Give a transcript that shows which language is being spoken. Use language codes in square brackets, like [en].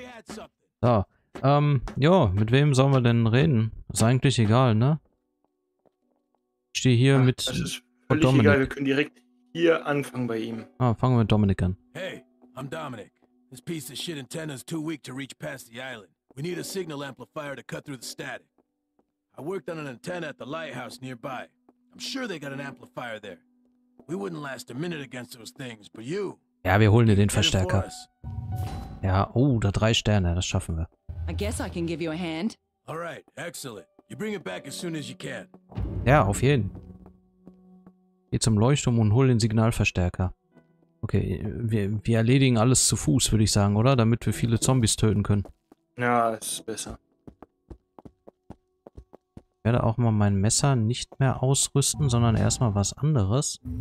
[de] So, mit wem sollen wir denn reden? Ist eigentlich egal, ne? Ich stehe hier mit Dominik. Das ist völlig egal, wir können direkt... Hier anfangen bei ihm. Fangen wir mit Dominik an. [en] Hey, I'm Dominic. This piece of shit antenna is too weak to reach past the island. We need a signal amplifier to cut through the static. I worked on an antenna at the lighthouse nearby. I'm sure they got an amplifier there. We wouldn't last a minute against those things, but you. [de] Ja, wir holen dir den Verstärker. Ja, oh, da 3 Sterne, das schaffen wir. [en] I guess I can give you a hand. All right, excellent. You bring it back as soon as you can. [de] Ja, auf jeden. Geh zum Leuchtturm und hol den Signalverstärker. Okay, wir erledigen alles zu Fuß, würde ich sagen, oder? Damit wir viele Zombies töten können. Ja, das ist besser. Ich werde auch mal mein Messer nicht mehr ausrüsten, sondern erstmal was anderes.